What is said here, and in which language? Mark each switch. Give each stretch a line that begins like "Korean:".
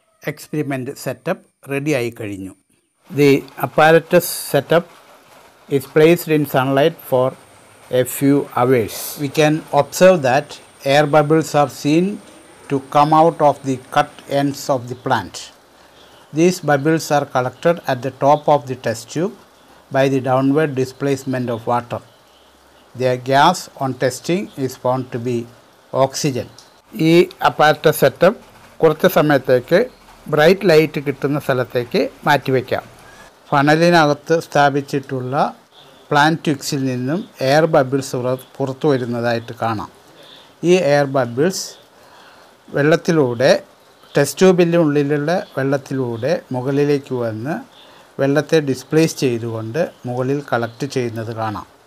Malayalam: Experiment setup ready ആയി കഴിഞ്ഞു.
English: The apparatus setup is placed in sunlight for a few hours. We can observe that air bubbles are seen to come out of the cut ends of the plant. These bubbles are collected at the top of the test tube by the downward displacement of water. Their gas on testing is found to be oxygen.
Malayalam: ഈ apparatus setup കുറച്ച് സമയത്തേക്ക് bright light കിട്ടുന്ന സ്ഥലത്തേക്ക് മാറ്റിവെക്കാം. ഫണലിനകത്ത് സ്ഥാപിച്ചിട്ടുള്ള plant ഉക്സിൽ നിന്നും air bubbles പുറത്തു വരുന്നതായിട്ട് കാണാം. ഈ എയർ ബബിൾസ് വെള്ളത്തിലൂടെ ടെസ്റ്റ് ട്യൂബിൻ്റെ ഉള്ളിലുള്ള വെള്ളത്തിലൂടെ മുകളിലേക്ക് വന്ന് വെള്ളത്തെ ഡിസ്പ്ലേസ് ചെയ്തുകൊണ്ട് മുകളിൽ കളക്ട് ചെയ്യുന്നത് കാണാം.